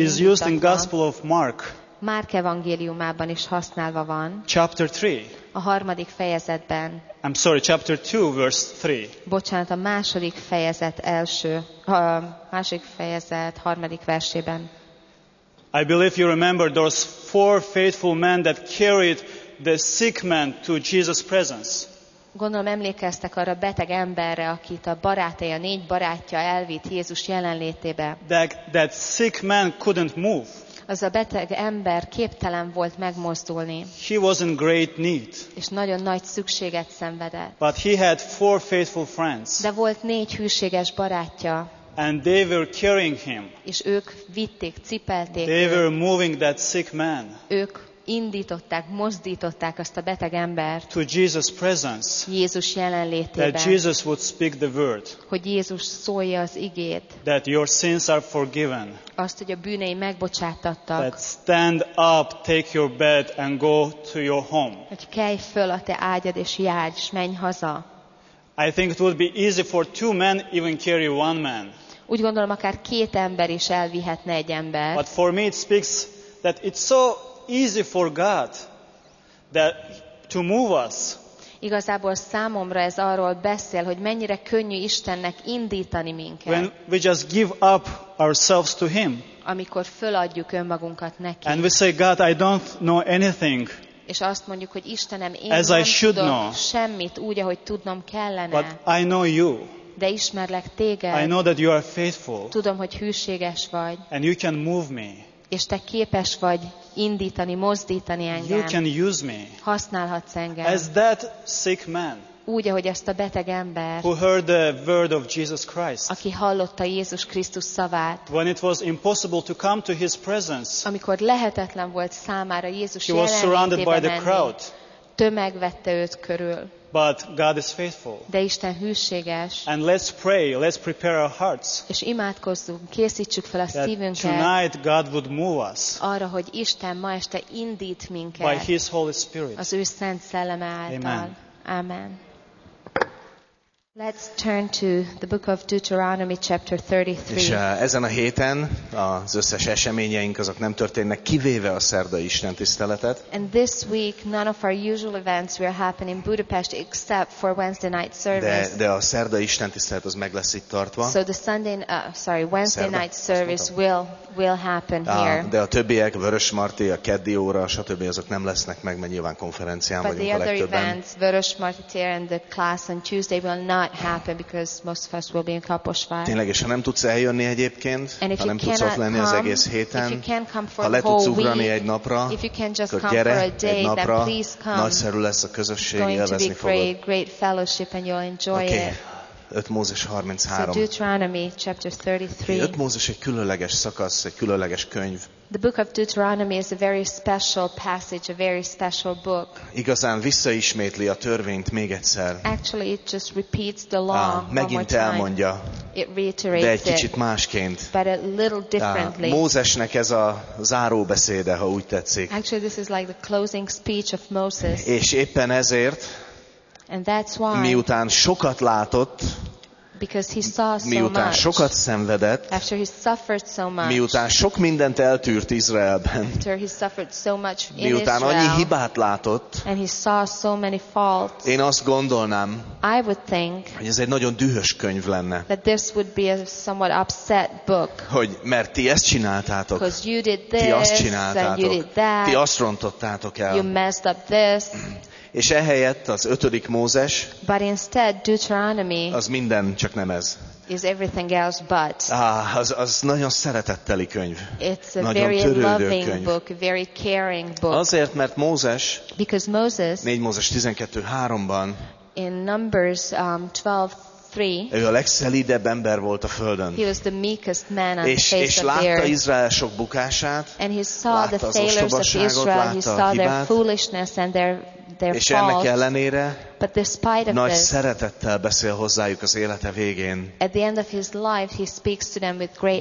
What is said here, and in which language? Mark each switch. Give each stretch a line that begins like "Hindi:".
English: Is used in Gospel of Mark.
Hungarian: Márk evangéliumában is használva van.
English: Chapter 3.
Hungarian: A harmadik fejezetben.
English: I'm sorry, chapter 2, verse 3.
Hungarian: Bocsánat, a második fejezet első, a második fejezet harmadik versében.
English: I believe you remember those four faithful men that carried the sick man to Jesus' presence.
Hungarian: Gondolom emlékeztek arra a beteg emberre, akit a barátai, a négy barátja elvitt Jézus jelenlétébe.
English: That sick man couldn't move.
Hungarian: Az a beteg ember képtelen volt megmozdulni.
English: He was in great need.
Hungarian: És nagyon nagy szükséget szenvedett.
English: But he had four faithful friends.
Hungarian: De volt négy hűséges barátja.
English: And they were carrying him.
Hungarian: És ők vitték, cipelték.
English: They were moving that sick man.
Hungarian: Ők indították, mozdították azt a beteg embert
English: to Jesus' presence,
Hungarian: Jézus jelenlétében,
English: that Jesus would speak the word,
Hungarian: hogy Jézus szólja az igét,
English: that your sins are forgiven,
Hungarian: azt, hogy a bűnei megbocsátattak,
English: that stand up, take your bed and go to your home,
Hungarian: hogy kelj föl a te ágyad és járj, és menj haza.
English: I think it would be easy for two men even carry one man.
Hungarian: Úgy gondolom, akár két ember is elvihetne egy ember.
English: But for me it speaks that it's so easy for God that to move us.
Hungarian: Igazából számomra ez arról beszél, hogy mennyire könnyű Istennek indítani minket.
English: When we just give up ourselves to him.
Hungarian: Amikor föladjuk önmagunkat neki.
English: And we say, God, I don't know anything.
Hungarian: És azt mondjuk, hogy Istenem, én nem tudom semmit úgy, ahogy tudnom kellene.
English: But I know you.
Hungarian: De ismerlek téged.
English: I know that you are faithful.
Hungarian: Tudom, hogy hűséges vagy.
English: And you can move me.
Hungarian: És te képes vagy indítani, mozdítani engem.
English: You can use me.
Hungarian: Használhatsz engem.
English: As that sick man.
Hungarian: Úgy, ahogy ezt a beteg ember.
English: Who heard the word of Jesus Christ.
Hungarian: Aki hallotta Jézus Krisztus szavát.
English: When it was impossible to come to his presence.
Hungarian: Amikor lehetetlen volt számára Jézus jelenlétébe menni.
English: He was surrounded by the crowd.
Hungarian: Tömeg vette őt körül.
English: But God is faithful.
Hungarian: De Isten hűséges.
English: And let's pray, let's prepare our hearts.
Hungarian: És imádkozzunk, készítsük fel a szívünket.
English: Tonight God would move us.
Hungarian: Arra, hogy Isten ma este indít minket.
English: By his Holy Spirit.
Hungarian: Az ő szent szelleme által.
English: Amen.
Hungarian: Amen.
English: Let's turn to the book of Deuteronomy chapter 33.
Hungarian: És ezen a héten az összes eseményeink azok nem történnek kivéve a szerdai istentiszteletet.
English: And this week none of our usual events will happen in Budapest except for Wednesday night service.
Hungarian: De a szerdai istentisztelet az meg lesz itt tartva.
English: So the Wednesday night service will happen here.
Hungarian: De a többiek, Vörösmarty, a keddi óra, stb. Azok nem lesznek meg, mert nyilván konferencián vagyunk a legtöbben.
English: But the other events, Vörösmarty tér and the class on Tuesday will not happen because most of us will be in Kaposvár.
Hungarian: Tényleg, és ha nem tudsz eljönni egyébként, ha nem tudsz ott lenni az egész héten, ha le tudsz ugrani egy napra, akkor gyere egy napra, nagyszerű lesz a közösség, élvezni fogod.
English: Great fellowship and you'll enjoy it.
Hungarian: 5 Mózes 33.
English: So Deuteronomy chapter 33.
Hungarian: 5 Mózes egy különleges szakasz, egy különleges könyv.
English: The book of Deuteronomy is a very special passage, a very special book.
Hungarian: Igazán visszaismétli a törvényt még egyszer.
English: Actually, it just repeats the law.
Hungarian: Megint elmondja.
English: It reiterates it.
Hungarian: De egy kicsit másként.
English: But a little differently.
Hungarian: Mózesnek ez a záró beszéde, ha úgy tetszik.
English: Actually, this is like the closing speech of Moses.
Hungarian: És éppen ezért.
English: And that's why,
Hungarian: miután sokat látott,
English: because he saw so
Hungarian: miután
English: much,
Hungarian: sokat szenvedett,
English: after he suffered so much,
Hungarian: miután sok mindent eltűrt Izraelben,
English: after he suffered so much in
Hungarian: miután
English: Israel,
Hungarian: annyi hibát látott,
English: and he saw so many faults,
Hungarian: én azt gondolnám,
English: I would think,
Hungarian: hogy ez egy nagyon dühös könyv lenne,
English: that this would be a somewhat upset book,
Hungarian: hogy mert ti ezt csináltátok,
English: because you did this,
Hungarian: ti azt csináltátok,
English: and you did that,
Hungarian: ti azt rontottátok el,
English: you messed up this,
Hungarian: és ehelyett az 5. Mózes,
English: but instead, Deuteronomy,
Hungarian: az minden, csak nem ez.
English: Is everything else but.
Hungarian: Az nagyon szeretetteli könyv.
English: It's a
Hungarian: nagyon
English: very
Hungarian: törődő
English: loving
Hungarian: könyv.
English: Book, very caring book.
Hungarian: Azért, mert Mózes,
English: because Moses,
Hungarian: 4 Mózes 12:3-ban,
English: in Numbers 12:3,
Hungarian: ő a legszelídebb ember volt a Földön.
English: He was the meekest man on
Hungarian: és,
English: the face
Hungarian: és látta
English: of the
Hungarian: Izrael sok bukását,
English: and he saw
Hungarian: látta
English: the failures
Hungarian: az ostobaságot,
English: of Israel,
Hungarian: látta
English: he saw
Hungarian: a hibát, és ennek ellenére
English: but despite of
Hungarian: nagy
English: this,
Hungarian: szeretettel beszél hozzájuk az élete végén.
English: At the end of his life, he speaks to them with great